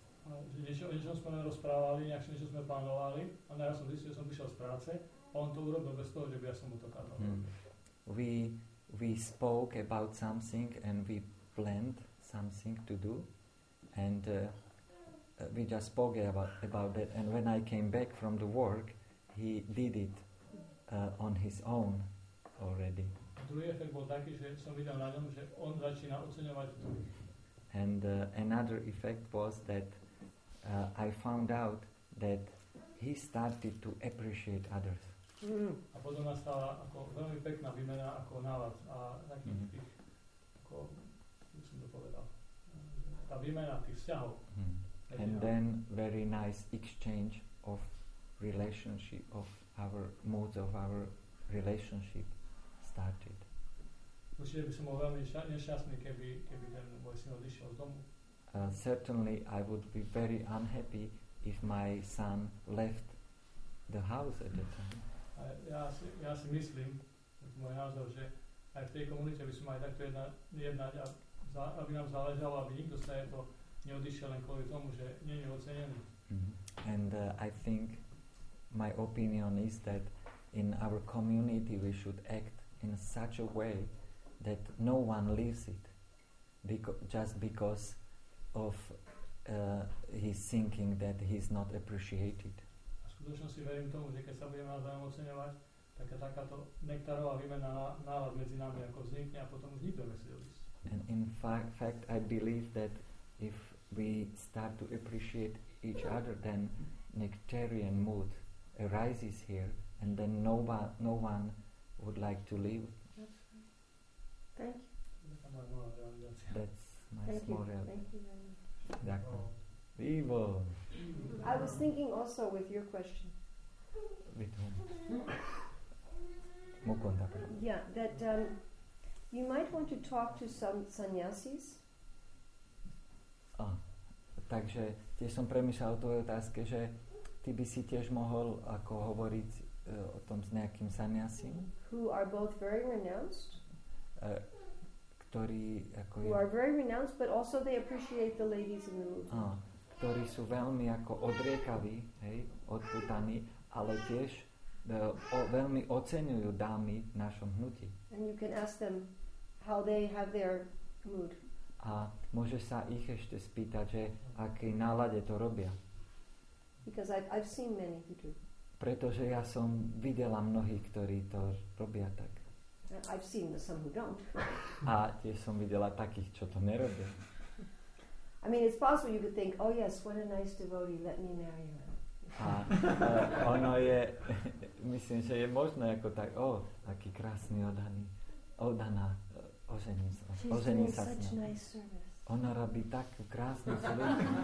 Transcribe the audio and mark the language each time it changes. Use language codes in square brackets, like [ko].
[sk] O niečom sme rozprávali, niečo sme plánovali, a ja som zistil, že som vyšiel z práce, a on to urobil bez toho, že by ja som mu to kázal. Hmm. [en] We spoke about something and we planned something to do, and we just spoke about that, and when I came back from the work, he did it on his own already. [sk] A druhý efekt bol taký, že som videl na ňom, že on začína oceňovať to. [en] And another effect was that I found out that he started to appreciate others. [sk] A potom nastala ako veľmi pekná výmena ako návad a takých tých, ako som to povedal, tá výmena tých vzťahov. [en] And then very nice exchange of relationship, of our modes of our relationship started. [sk] Určite by som bol veľmi nešťastný, keby ten môj syn odišiel z domu. [en] Certainly I would be very unhappy if my son left the house at the time. [sk] Ja si myslím, môj názor, že aj v tej komunite by sme mali takto jednať, aby nám záležalo, aby nikto sa to neodišiel len kvôli tomu, že nie je ocenený. [en] And I think my opinion is that in our community we should act in such a way that no one leaves it just because of his thinking that he's not appreciated. [sk] A skutočnosti verím tomu, že keď sa budeme navzájom oceňovať, tak takáto nektarová výmena nálad medzi nami ako vznikne a potom už nikto nechce odísť. [en] And in fact I believe that if we start to appreciate each other, then nectarian mood arises here and then no one would like to leave. Thank you. That's Thank you. Thank you very much. I was thinking also with your question. With whom? Mukunda. Yeah, that you might want to talk to some sannyasis. [sk] Ah, takže tiež som premýšľal o tvojej otázke, že ty by si tiež mohol ako hovoriť o tom s nejakým sannyasim. [en] Who are both very renounced. [sk] Ktorí ako [en] who are very renounced, but also they appreciate the ladies in the movement. [sk] Ah, ktorí sú veľmi ako odriekaví, hej, odputaní, ale tiež veľmi oceňujú dámy v našom hnutí. [en] And you can ask them how they have their mood. [sk] A môžeš sa ich ešte spýtať, že aký nálade to robia. [en] Because I've seen many who do. [sk] Pretože ja som videla mnohých, ktorí to robia tak. [en] I've seen some who don't. [sk] A tiež som videla takých, čo to nerobia. [en] I mean, it's possible you could think, oh yes, what a nice devotee, let me marry her. [sk] A ono je, myslím, že je možné ako tak, oh, aký krásny odaný, odaná, ožením sa. [en] She's [sk] ožením [en] doing [sk] sa [en] such nice service. [sk] Ona robí tak krásnu službu.